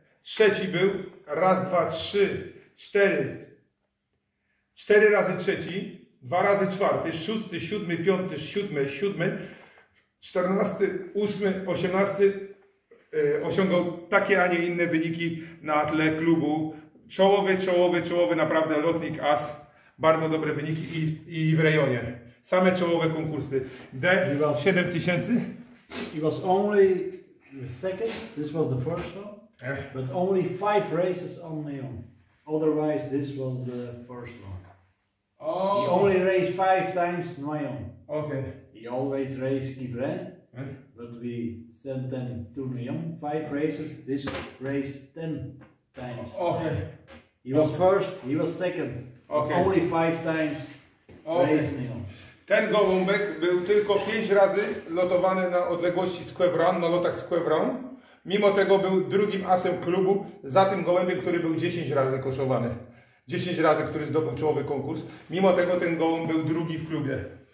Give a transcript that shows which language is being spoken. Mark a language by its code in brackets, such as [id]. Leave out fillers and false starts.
[pl] Trzeci był, raz, dwa, trzy, cztery, cztery razy trzeci, dwa razy czwarty, szósty, siódmy, piąty, siódmy, czternasty, ósmy, osiemnasty, osiągnął takie, a nie inne wyniki na tle klubu. Czołowy, naprawdę lotnik as, bardzo dobre wyniki i w rejonie. Same czołowe konkursy. D, 7000. [en] It was only the second, this was the first one. But only 5 races on Neon. Otherwise this was the first one. Oh. He only raced 5 times Neon. Okay. He always raced Kivrin. But we sent them to Neon. 5 races. This race 10 times. Okay. He was first, he was second. Okay. Only 5 times raced Neon. [pl] Ten gołąbek był tylko 5 razy lotowany na odległości z Quevron, na lotach z Quevron. Mimo tego był drugim asem klubu za tym gołębiem, który był 10 razy koszowany. 10 razy, który zdobył czołowy konkurs. Mimo tego ten gołąb był drugi w klubie.